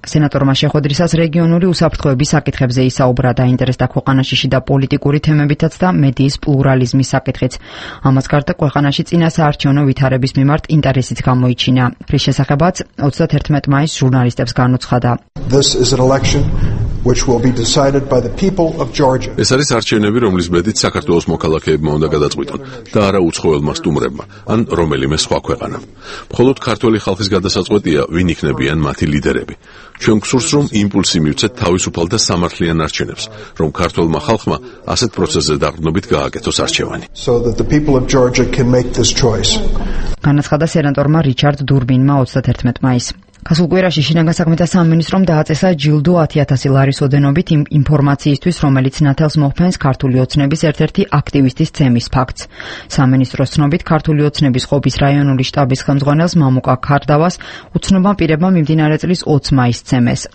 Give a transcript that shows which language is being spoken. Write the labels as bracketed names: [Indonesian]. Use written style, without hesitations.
[Georgian] სენატორმა შეხვედრისას რეგიონული უსაფრთხოების საკითხებზე ისაუბრა, დაინტერესდა ქვეყანაში შიდა პოლიტიკური თემებითაც და მედიის პლურალიზმის საკითხიც. ამას გარდა ქვეყანაში წინა საარჩევნო ვითარების მიმართ ინტერესიც გამოიჩინა. ეს შესახებაც 31 მაისს ჟურნალისტებს განუცხადა. [English] Which will be decided by the people of Georgia. [Georgian] ეს არის არჩევნები, რომლის ბედით საქართველოს მოქალაქეებმა უნდა გადაწყვიტონ და არა უცხოელმა სტუმრებმა, ან რომელიმე სხვა ქვეყანამ. მხოლოდ ქართველი ხალხის გადასაწყვეტია, ვინ იქნებიან მათი ლიდერები. ჩვენ გსურს, რომ იმპულსი მივცეთ თავისუფალ და სამართლიან არჩევნებს, რომ ქართველმა ხალხმა ასეთ პროცესზე დაყრდნობით გააკეთოს არჩევანი. [English] So that the people of Georgia can make this choice. [Georgian] განაცხადა სენატორმა რიჩარდ დურბინმა 31 მაისს. გასულ კვირაში შინაგან საქმეთა სამინისტრომ დააწესა ჯილდო 10,000 ლარის ოდენობით ინფორმაციისთვის, რომელიც ნათელს მოხფენს ქართული ოცნების ერთ-ერთი აქტივისტის ცემის ფაქტს. სამინისტროს ცნობით ქართული ოცნების ხობის რაიონული შტაბის ხელმძღვანელს მამუკა ქარდავას უცნობმა პირებმა მიმდინარე წლის 20 მაისს ცემეს.